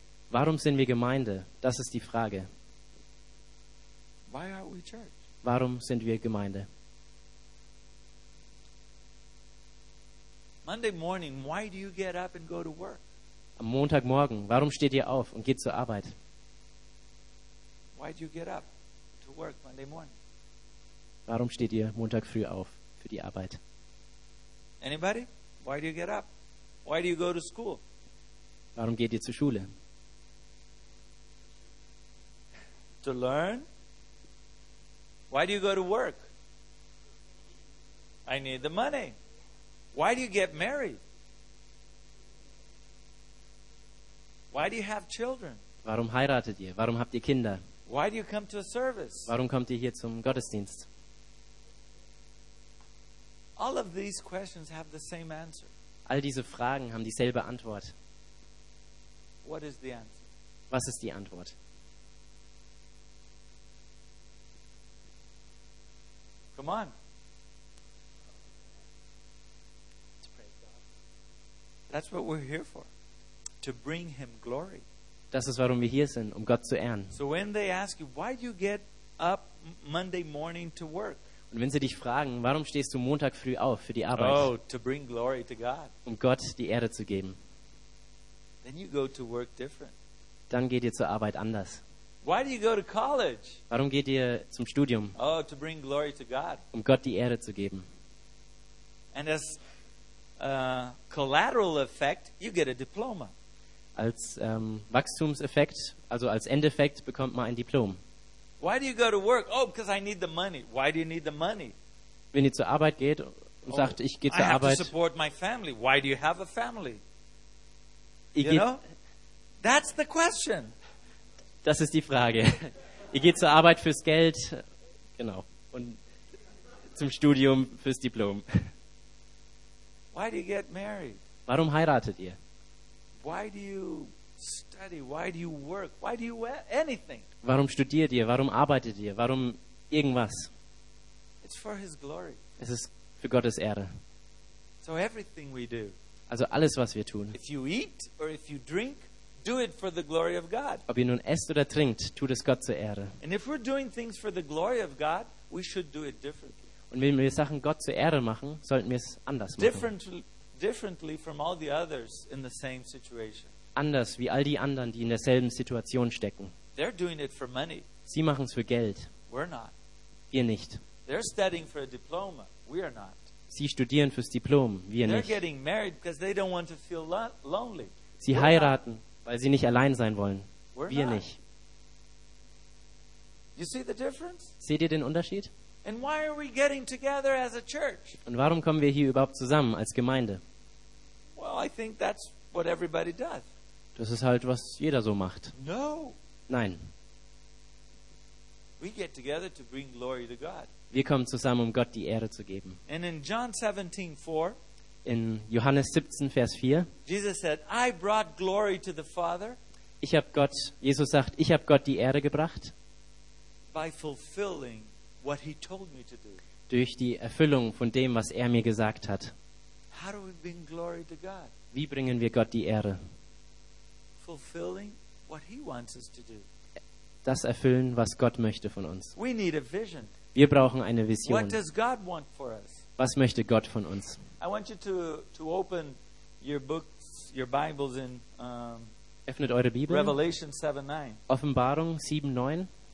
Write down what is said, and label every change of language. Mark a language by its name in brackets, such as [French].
[German] Warum sind wir Gemeinde? Das ist die Frage. [English] Why are we church? [German] Warum sind wir Gemeinde? [English] Monday morning, why do you get up and go to work? [German] Am Montagmorgen, warum steht ihr auf und geht zur Arbeit? [English] Why do you get up to work Monday morning? [German] Warum steht ihr Montag früh auf für die Arbeit? [English] Anybody? Why do you get up? Why do you go to school? [German] Warum geht ihr zur Schule? [English] To learn. Why do you go to work? I need the money. Why do you get married? Why do you have children? [German] Warum heiratet ihr? Warum habt ihr Kinder? [English] Why do you come to a service? [German] Warum kommt ihr hier zum Gottesdienst? [English] All of these questions have the same answer. [German] All diese Fragen haben dieselbe Antwort. [English] What is the answer? [German] Was ist die Antwort? [English] Come on. To praise God. That's what we're here for. To bring him glory. [German] Das ist, warum wir hier sind, um Gott zu ehren. [English] So when they ask you, why do you get up Monday morning to work? [German] Und wenn sie dich fragen, warum stehst du Montag früh auf für die Arbeit? [English] Oh, to bring glory to God. [German] Um Gott die Ehre zu geben. [English] Then you go to work different. [German] Dann geht ihr zur Arbeit anders. [English] Why do you go to college? [German] Warum geht ihr zum Studium? [English] Oh, to bring glory to God. [German] Um Gott die Ehre zu geben. [English] And as collateral effect, you get a diploma. [German] als Wachstumseffekt, also als Endeffekt, bekommt man ein Diplom. [English] Why do you go to work? Oh, because I need the money. Why do you need the money? [German] Wenn ihr zur Arbeit geht und sagt, ich gehe zur Arbeit. [English] I have to support my family. Why do you have a family? You know? That's the question. [German] Das ist die Frage. Ihr geht zur Arbeit fürs Geld, genau, und zum Studium fürs Diplom. [English] Why do you get married? [German] Warum heiratet ihr? [English] Why do you study? Why do you work? Why do you anything? [German] Warum studiert ihr? Warum arbeitet ihr? Warum irgendwas? [English] It's for his glory. [German] Es ist für Gottes Ehre. [English] So everything we do. [German] Also alles, was wir tun. [English] If you eat or if you drink, do it for the glory of God. [German] Ob ihr nun esst oder trinkt, tut es Gott zur Ehre. [English] And if we're doing things for the glory of God, we should do it differently. [German] Und wenn wir Sachen Gott zur Ehre machen, sollten wir es anders machen. [English] Differently from all the others in the same situation. [German] Anders wie all die anderen, die in derselben Situation stecken. [English] They're doing it for money. [German] Sie machen es für Geld. [English] We're not. [German] Wir nicht. [English] They're studying for a diploma. We are not. [German] Sie studieren fürs Diplom. Wir [English] they're [German] nicht. [English] Getting married because they don't want to feel lonely. [German] Sie [English] we're [German] heiraten, [English] not. [German] Weil sie nicht allein sein wollen. [English] We're [German] wir [English] not. [German] Nicht. [English] You see the difference? [German] Seht ihr den Unterschied? [English] And why are we getting together as a church? [German] Und warum kommen wir hier überhaupt zusammen als Gemeinde? [English] Well, I think that's what everybody does. [German] Das ist halt, was jeder so macht. [English] No. [German] Nein. [English] We get together to bring glory to God. [German] Wir kommen zusammen, um Gott die Ehre zu geben. [English] And in John 17:4, [German] in Johannes 17, Vers 4, [English] Jesus said, I brought glory to the Father. [German] Ich habe Gott, Jesus sagt, ich habe Gott die Ehre gebracht. [English] By fulfilling what he told me to do. [German] Durch die Erfüllung von dem, was er mir gesagt hat. [English] How do we bring glory to God? [German] Wie bringen wir Gott die Ehre? [English] Fulfilling what he wants us to do. [German] Das erfüllen, was Gott möchte von uns. [English] We need a vision. [German] Wir brauchen eine Vision. [English] What does God want for us? [German] Was möchte Gott von uns? [English] I want you to open your books, your Bibles in [German] öffnet eure Bibel. [English] Revelation 7:9. [German] Offenbarung 7:9.